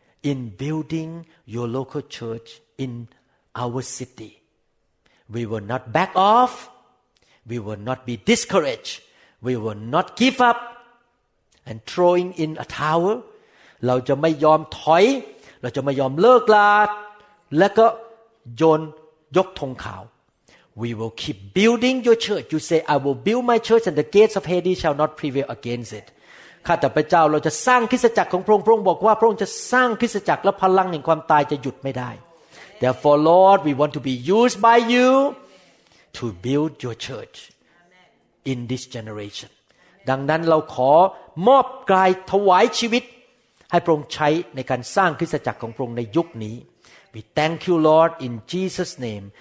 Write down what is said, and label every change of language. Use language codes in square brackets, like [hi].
[en] in building your local church in our city we will not back off we will not be discouraged we will not give up and throwing in a towel [th] เราจะไม่ยอมถอยเราจะไม่ยอมเลิกลาและก็โยนยกธงขาว [en] We will keep building your church. You say, I will build my church and the gates of Hades shall not prevail against it. [th] ข้าแต่พระเจ้าเราจะสร้างคริสตจักรของพระองค์พระองค์บอกว่าพระองค์จะสร้างคริสตจักรและพลังแห่งความตายจะหยุดไม่ได้ [en] Therefore, Lord, we want to be used by you to build your church in this generation. [th] ดังนั้นเราขอมอบกายถวายชีวิตให้พระองค์ใช้ในการสร้างคริสตจักรของพระองค์ในยุคนี้ [en] We thank you, Lord, in Jesus' name.